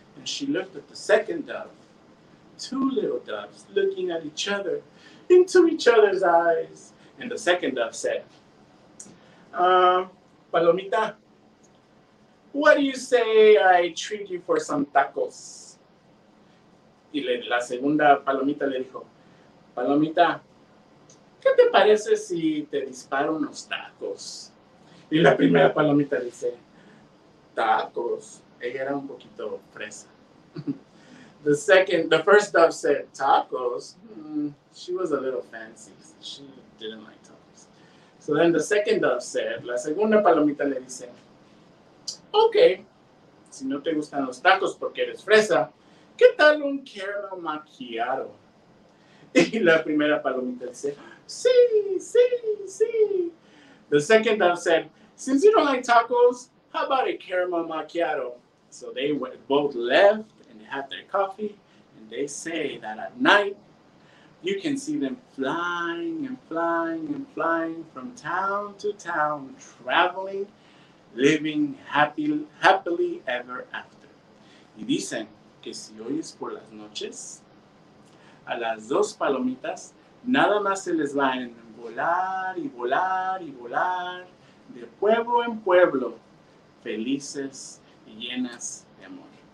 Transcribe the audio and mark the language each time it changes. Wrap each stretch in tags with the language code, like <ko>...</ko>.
<en>And she looked at the second dove. Two little doves looking at each other, into each other's eyes. And the second dove said, Palomita, what do you say I treat you for some tacos?</en> <es>Y la segunda palomita le dijo, Palomita, ¿qué te parece si te disparo unos tacos? Y la primera palomita dice, tacos. Ella era un poquito fresa.</es> <en>The first dove said, tacos. She was a little fancy. She didn't like tacos. So then the second dove said,</en> <es>la segunda palomita le dice, okay, si no te gustan los tacos porque eres fresa, ¿qué tal un caramel macchiato? Y la primera palomita dice, sí, sí, sí.</es> <en>The second dove said, since you don't like tacos, how about a caramel macchiato? So they both left and they had their coffee and they say that at night, you can see them flying and flying and flying from town to town, traveling, living happy, happily ever after.</en> <es>Y dicen que si oyes por las noches, a las dos palomitas, nada más se les va en volar y volar y volar, de pueblo en pueblo, felices y llenas de amor.</es>